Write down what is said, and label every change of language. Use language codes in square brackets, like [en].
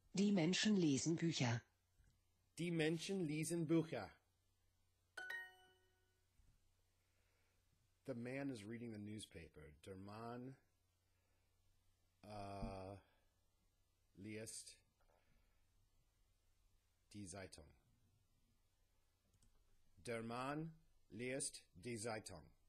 [de] Die Menschen lesen Bücher. Die Menschen lesen Bücher. [en] The man is reading the newspaper. [de] Der Mann liest die Zeitung. Der Mann liest die Zeitung.